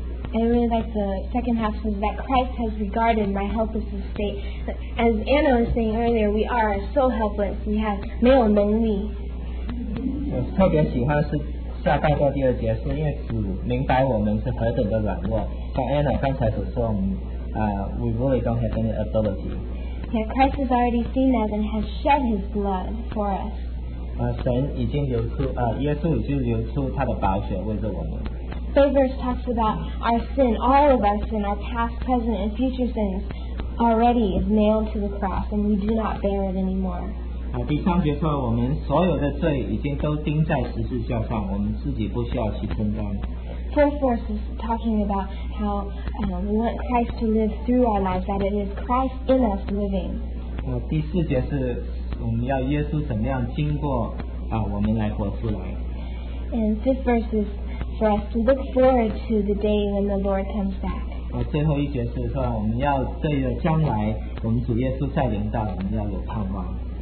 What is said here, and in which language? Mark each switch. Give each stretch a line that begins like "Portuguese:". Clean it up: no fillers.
English: I really like the second half says that Christ has regarded my helpless estate. As Anna was saying earlier, we are so helpless. We have
Chinese: 没有能力。我特别喜欢是下半段第二节，是因为主明白我们是何等的软弱。像 Anna 刚才所说，
English: we really don't have any ability. Yeah, Christ has already seen that and has shed His blood for us.
Chinese: 神已经流出耶稣已经流出他的宝血为着我们。
English: Third verse talks about our sin, all of our sin, our past, present, and future sins already is nailed to the cross and we do not bear it anymore.
Chinese: 第三节说我们所有的罪已经都钉在十字架上，我们自己不需要去承担。
English: Fourth verse is talking about how we want Christ to live through our lives, that it is Christ in us living.
Chinese: 第四节是我们要耶稣怎么样经过我们来活出来。
English: And fifth verse is for us to look forward to the day when the Lord comes back.
Chinese: 最后一节是说我们要对着将来我们主耶稣再临到我们要有盼望。